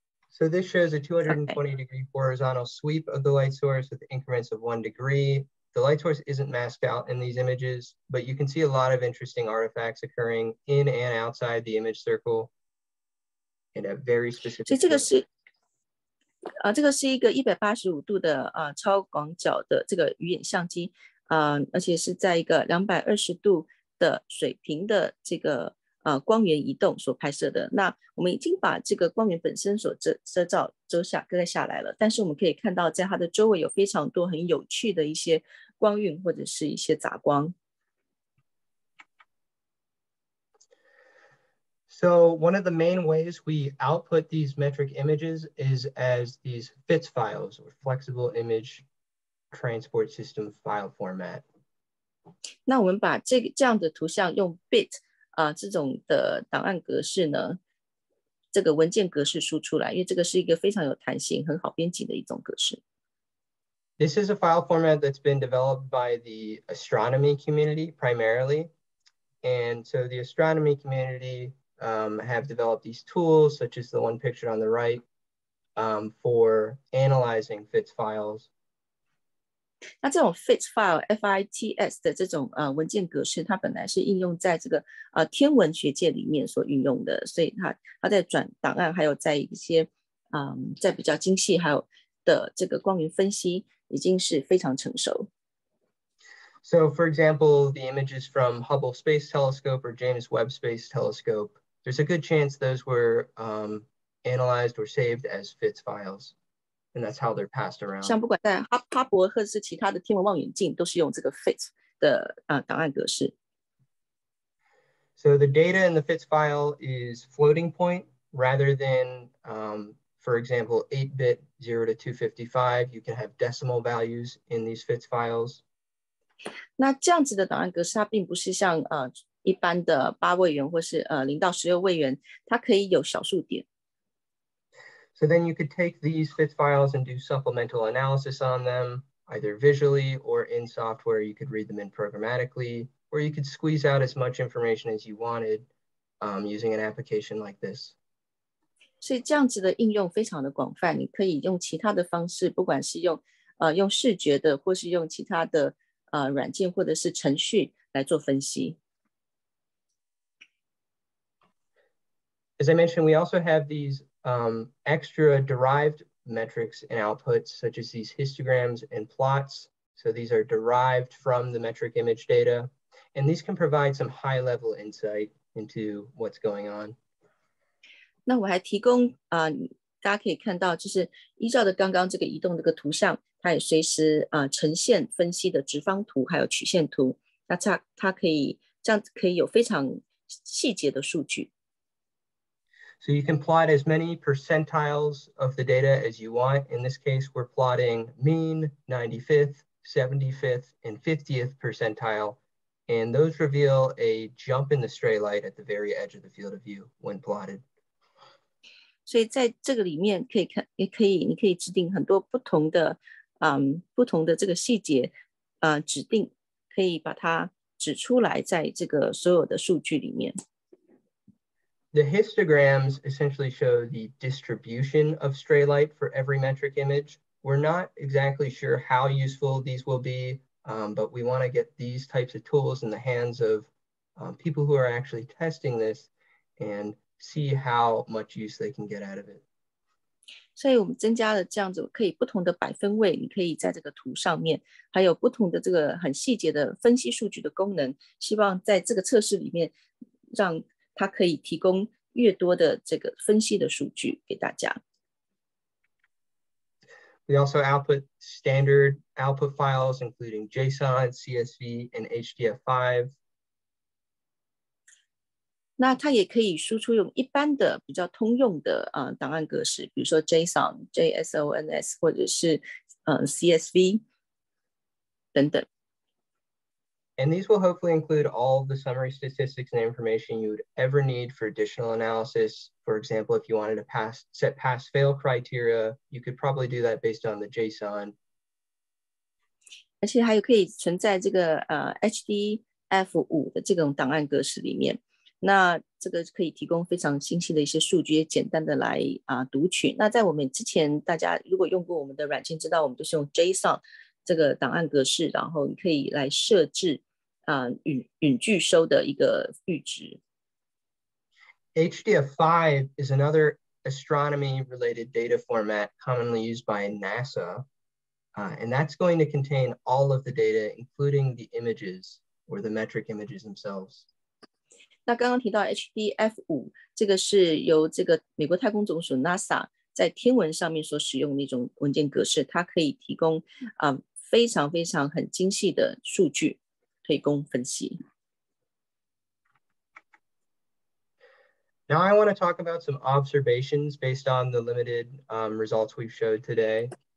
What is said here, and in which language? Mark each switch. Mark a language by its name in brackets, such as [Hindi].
[English] So this shows a 220 degree horizontal sweep of the light source with increments of 1 degree. The light source isn't masked out in these images, but you can see a lot of interesting artifacts occurring in and outside the image circle in a very specific way. [Chinese] 这个是一个185度的超广角的这个鱼眼相机而且是在一个220度的水平的这个光源移动所拍摄的。那我们已经把这个光源本身所遮罩遮下割下来了，但是我们可以看到在它的周围有非常多很有趣的一些光晕或者是一些杂光。 [English] So one of the main ways we output these metric images is as these FITS files, or Flexible Image Transport System File Format. [Chinese] 那我们把这样的图像用 BIT 这种的档案格式呢，这个文件格式输出来，因为这个是一个非常有弹性、很好编辑的一种格式。 [English] This is a file format that's been developed by the astronomy community primarily. And so the astronomy communityhave developed these tools, such as the one pictured on the right, for analyzing FITS files. [Chinese] 那这种 FITS file, F-I-T-S 的这种文件格式，它本来是应用在这个天文学界里面所运用的，所以它在转档案，还有在一些在比较精细还有的这个光源分析，已经是非常成熟。 [English] So, for example, the images from Hubble Space Telescope or James Webb Space Telescope. There's a good chance those were analyzed or saved as FITS files, and that's how they're passed around. [Chinese] 像不管在哈勃或者是其他的天文望远镜，都是用这个 FITS 的档案格式。 [English] So the data in the FITS file is floating point rather than, for example, 8-bit 0 to 255. You can have decimal values in these FITS files. [Chinese] 那这样子的档案格式，它并不是像一般的八位元或是零到十六位元，它可以有小数点。 [English] So then you could take these FITS files and do supplemental analysis on them, either visually or in software. You could read them in programmatically, or you could squeeze out as much information as you wanted, using an application like this. [Chinese] 所以这样子的应用非常的广泛，你可以用其他的方式，不管是用用视觉的，或是用其他的软件或者是程序来做分析。 [English] As I mentioned, we also have these extra derived metrics and outputs, such as these histograms and plots. So these are derived from the metric image data, and these can provide some high-level insight into what's going on. [Chinese] 那我还提供大家可以看到，就是依照的刚刚这个移动这个图像，它也随时呈现分析的直方图还有曲线图，那它可以这样可以有非常细节的数据。 [English] So you can plot as many percentiles of the data as you want. In this case, we're plotting mean 95th, 75th, and 50th percentile. And those reveal a jump in the stray light at the very edge of the field of view when plotted. [Chinese] 所以在这个里面可以看，也可以，你可以指定很多不同的，不同的这个细节，指定可以把它指出来在这个所有的数据里面。 [English] The histograms essentially show the distribution of stray light for every metric image. We're not exactly sure how useful these will be, but we want to get these types of tools in the hands of people who are actually testing this and see how much use they can get out of it. [Chinese] 所以我们增加了这样子可以不同的百分位，你可以在这个图上面，还有不同的这个很细节的分析数据的功能，希望在这个测试里面让它可以提供越多的这个分析的数据给大家。 [English] We also output standard output files, including JSON, CSV, and HDF5. [Chinese] 那它也可以输出用一般的比较通用的档案格式，比如说 JSON, JSONS, 或者是CSV 等等。 [English] And these will hopefully include all the summary statistics and information you would ever need for additional analysis. For example, if you wanted to set pass-fail criteria, you could probably do that based on the JSON. [Chinese] 而且还有可以存在这个HDF5 的这种档案格式里面，那这个可以提供非常清晰的一些数据，也简单的来读取。那在我们之前，大家如果用过我们的软件，知道我们都是用 JSON。这个档案格式，然后你可以来设置允拒收的一个阈值。 [English] HDF5 is another astronomy-related data format commonly used by NASA, and that's going to contain all of the data, including the images or the metric images themselves. [Chinese] 那刚刚提到 HDF5， 这个是由这个美国太空总署 NASA 在天文上面所使用的一种文件格式，它可以提供非常非常很精细的数据可以供分析。 [English] Now I want to talk about some observations based on the limited results we've showed today.